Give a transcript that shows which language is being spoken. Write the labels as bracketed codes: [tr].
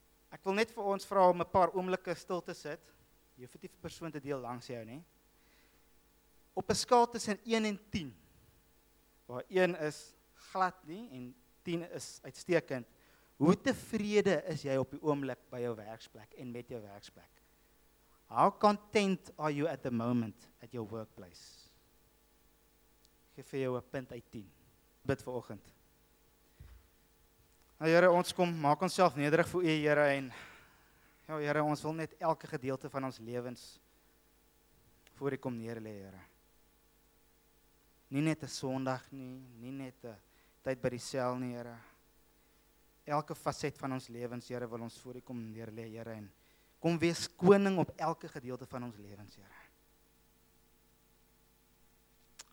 [af] Ek wil net vir ons vra om 'n paar oomblikke stil te sit. Jy hoef nie vir persoon te deel langs jou nie. Op 'n skaal tussen 1 en 10, waar 1 is glad nie en 10 is uitstekend, hoe tevrede is jy op die oomblik by jou werksplek en met jou werksplek? [en] How content are you at the moment at your workplace? [af] Ek gee vir jou 'n punt uit 10. Bid vir oggend. Nou Here, ons kom, maak ons self nederig voor U Here en ja Here, ons wil net elke gedeelte van ons lewens voor U kom neerlê, Here. Nie net 'n Sondag nie, nie net 'n tyd by die sel nie, Here. Elke facet van ons lewens, Here, wil ons voor U kom neerlê, Here, en kom wees koning op elke gedeelte van ons lewens, Here.